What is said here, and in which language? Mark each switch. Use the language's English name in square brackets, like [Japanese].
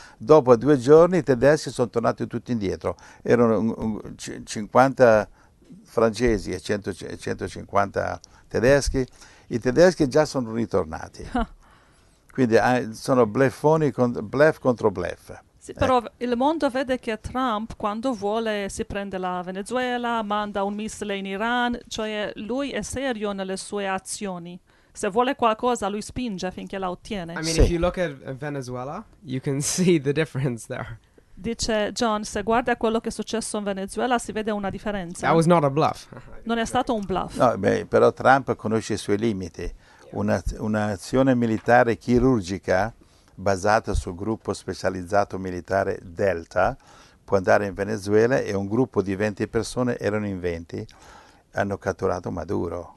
[Italian] Dopo due giorni i tedeschi sono tornati tutti indietro, erano 50 francesi e 150 tedeschi, i tedeschi già sono ritornati, quindi sono bluffoni, bluff contro bluff. Sì, però il mondo vede che Trump, quando vuole, si prende la Venezuela, manda un missile in Iran, cioè lui è serio nelle sue azioni. se vuole qualcosa, lui spinge finché la ottiene. [English] I mean, sì. If you look at Venezuela, you can see the difference there. [Italian] Dice John, se guardi a quello che è successo in Venezuela, si vede una differenza. [English] That was not a bluff. [Italian] Non è stato un bluff. No, beh, però Trump conosce i suoi limiti. Un'azione militare chirurgica basata sul gruppo specializzato militare Delta può andare in Venezuela e un gruppo di 20 persone, erano in 20, hanno catturato Maduro